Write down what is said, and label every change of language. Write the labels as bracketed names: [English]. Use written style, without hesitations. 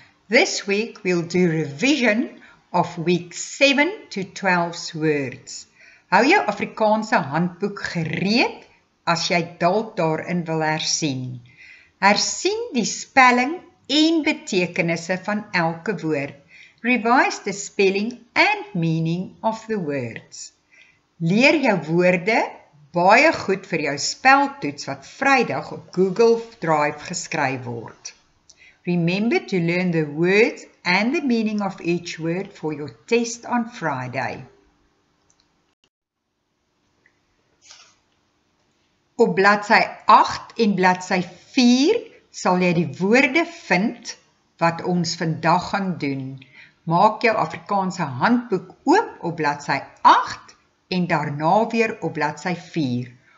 [English] This week we'll do revision of week 7 to 12's words. [Afrikaans] Hou jou Afrikaanse handboek gereed as jy dalk daarin wil herzien. Herzien die spelling en betekenisse van elke woord. [English] Revise the spelling and meaning of the words. [Afrikaans] Leer jou woorde baie goed vir jou speltoets wat Vrydag op Google Drive geskryf word. [English] Remember to learn the words and the meaning of each word for your test on Friday. [Afrikaans] Op bladsy 8 en bladsy 4 sal jy die woorde vind wat ons vandag gaan doen. Maak jou Afrikaanse handboek oop op bladsy 8 en daarna weer op bladsy 4.